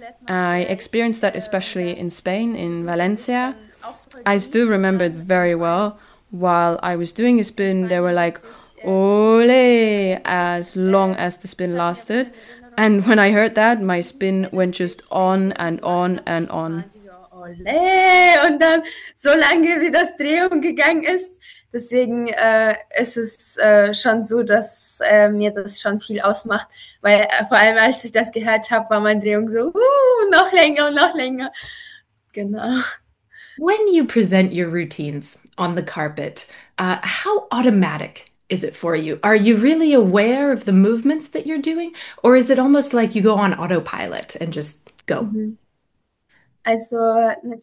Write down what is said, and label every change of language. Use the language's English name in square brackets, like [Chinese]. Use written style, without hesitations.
[English] I experienced that especially in Spain, in Valencia. I still remember it very well. While I was doing a spin, they were like, ole, as long as the spin lasted. And when I heard that, my spin went just on and on and on. [German] Ole, und dann so lange wie das Drehen gegangen ist. Deswegen ist es schon so, dass mir das schon viel ausmacht, weil vor allem als ich das gehört habe, war meine Drehung so noch länger und noch länger. Genau. [English] When you present your routines on the carpet, how automatic is it for you? Are you really aware of the movements that you're doing, or is it almost like you go on autopilot and just go? [German] Also,